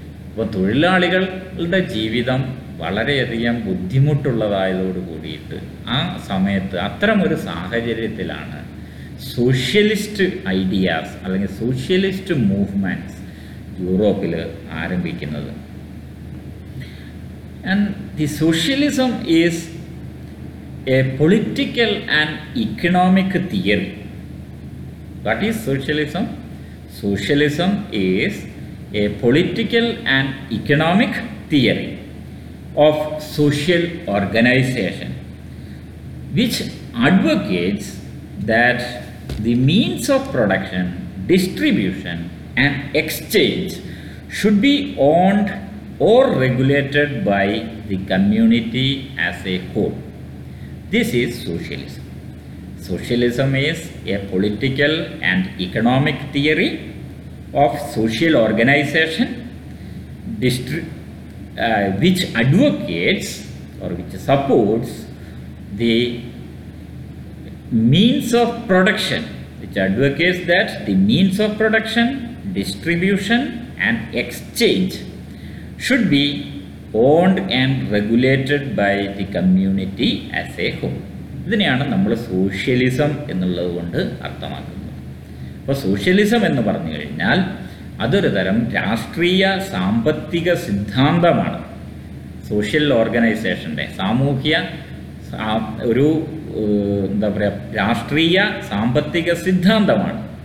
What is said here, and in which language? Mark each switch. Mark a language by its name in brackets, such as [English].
[Malayalam] അപ്പോൾ തൊഴിലാളികളുടെ ജീവിതം വളരെയധികം ബുദ്ധിമുട്ടുള്ളതായതോടുകൂടിയിട്ട് ആ സമയത്ത് അത്തരമൊരു സാഹചര്യത്തിലാണ് സോഷ്യലിസ്റ്റ് ഐഡിയാസ് അല്ലെങ്കിൽ സോഷ്യലിസ്റ്റ് മൂവ്മെൻറ്റ്സ് യൂറോപ്പിൽ ആരംഭിക്കുന്നത്. [English] And the socialism is a political and economic theory. What is socialism? Socialism is a political and economic theory of social organization, which advocates that the means of production, distribution, and exchange should be owned or regulated by the community as a whole. This is socialism. Socialism is a political and economic theory of social organization which advocates or which supports the means of production, which advocates that the means of production, distribution, and exchange should be owned and regulated by the community as a whole. [Malayalam] ഇതിനെയാണ് നമ്മൾ socialism എന്നുള്ളത് കൊണ്ട് അർത്ഥമാക്കുന്നത്. അപ്പോൾ socialism എന്ന് പറഞ്ഞു കഴിഞ്ഞാൽ അതൊരു തരം രാഷ്ട്രീയ സാമ്പത്തിക സിദ്ധാന്തമാണ്. സോഷ്യൽ ഓർഗനൈസേഷൻ്റെ സാമൂഹ്യ ഒരു എന്താ പറയുക രാഷ്ട്രീയ സാമ്പത്തിക സിദ്ധാന്തമാണ്.